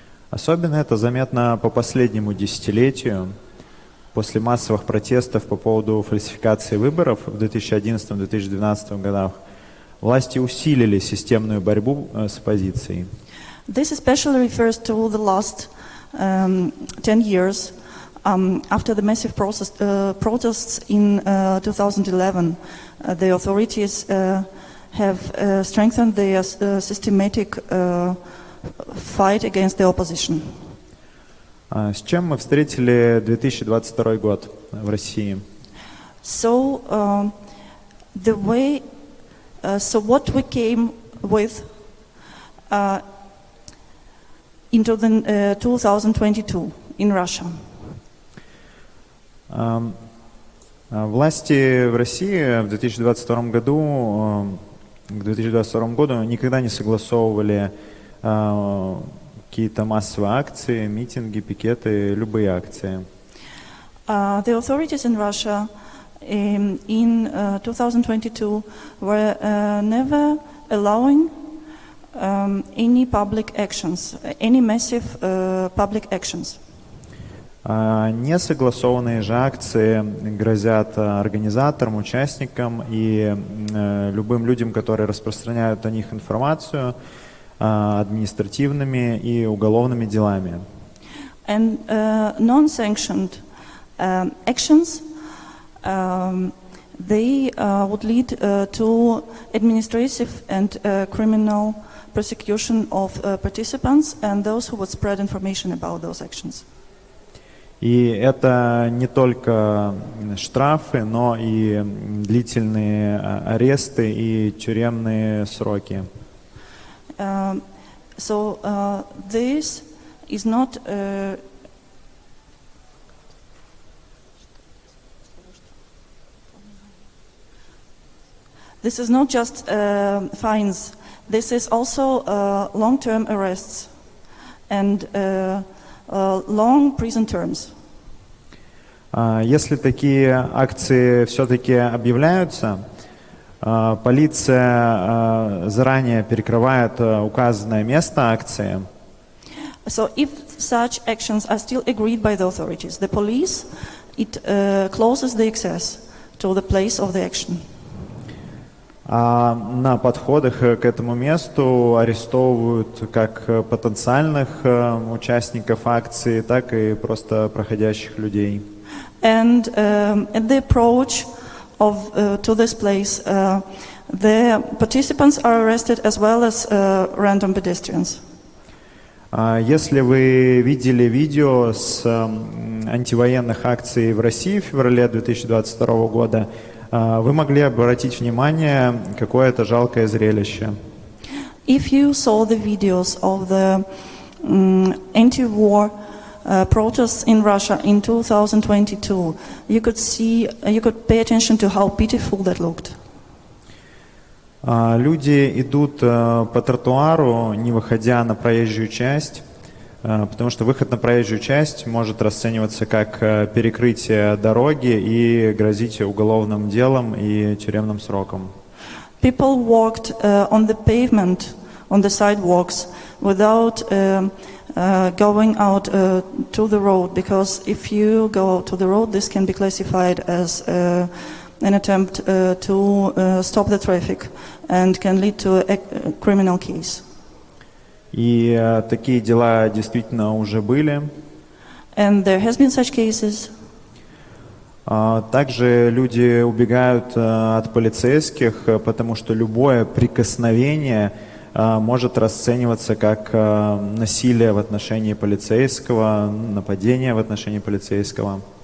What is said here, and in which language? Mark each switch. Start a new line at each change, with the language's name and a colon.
Russian: Особенно это заметно по последнему десятилетию. После массовых протестов по поводу фальсификации выборов в 2011-2012 годах власти усилили системную борьбу с оппозицией.
English: This especially refers to the last 10 years after the massive protests in 2011. The authorities have strengthened their systematic fight against the opposition.
Russian: С чем мы встретили 2022 год в России?
English: So the way so what we came with into the 2022 in Russia.
Russian: Власти в России в 2022 году к 2022 году никогда не согласовывали какие-то массовые акции, митинги, пикеты, любые акции.
English: The authorities in Russia in 2022 were never allowing any public actions, any massive public actions.
Russian: Несогласованные же акции грозят организаторам, участникам и любым людям, которые распространяют о них информацию, административными и уголовными делами.
English: And non-sanctioned actions they would lead to administrative and criminal prosecution of participants and those who would spread information about those actions.
Russian: И это не только штрафы, но и длительные аресты и тюремные сроки.
English: So this is not this is not just fines. This is also long-term arrests and long prison terms.
Russian: Если такие акции все-таки объявляются, полиция заранее перекрывает указанное место акции.
English: So if such actions are still agreed by the authorities, the police it closes the access to the place of the action.
Russian: А на подходах к этому месту арестовывают как потенциальных участников акции, так и просто проходящих людей.
English: And at the approach of to this place the participants are arrested as well as random pedestrians.
Russian: Если вы видели видео с антивоенных акций в России в феврале 2022 года, вы могли обратить внимание, какое это жалкое зрелище.
English: If you saw the videos of the anti-war protests in Russia in 2022, you could pay attention to how pitiful that looked.
Russian: Люди идут по тротуару, не выходя на проезжую часть, потому что выход на проезжую часть может расцениваться как перекрытие дороги и грозить уголовным делом и тюремным сроком.
English: People walked on the pavement, on the sidewalks, without going out to the road, because if you go out to the road, this can be classified as an attempt to stop the traffic and can lead to a criminal case.
Russian: И такие дела действительно уже были.
English: And there has been such cases.
Russian: Также люди убегают от полицейских, потому что любое прикосновение может расцениваться как насилие в отношении полицейского, нападение в отношении полицейского.